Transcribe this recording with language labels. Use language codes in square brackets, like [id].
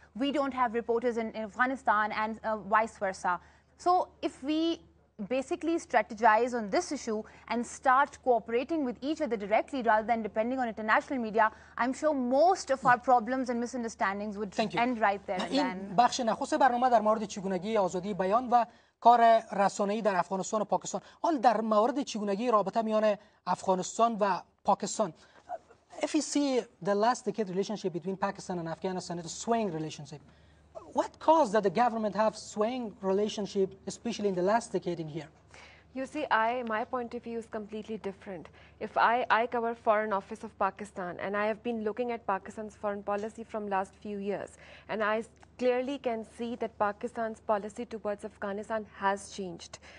[en] We don't have reporters in Afghanistan and vice versa. So if we basically strategize on this issue and start cooperating with each other directly rather than depending on international media, I'm sure most of our problems and misunderstandings would end right there. [fa] این بخش نخست برنامه در مورد چگونگی آزادی بیان و کار رسانه‌ای در افغانستان و پاکستان. حال در مورد چگونگی رابطه میان افغانستان و پاکستان. [en] If you see the last decade relationship between Pakistan and Afghanistan, it's a swaying relationship. What caused that the government have swaying relationship, especially in the last decade in here? You see, my point of view is completely different. If I cover Foreign Office of Pakistan, and I have been looking at Pakistan's foreign policy from last few years, and I clearly can see that Pakistan's policy towards Afghanistan has changed.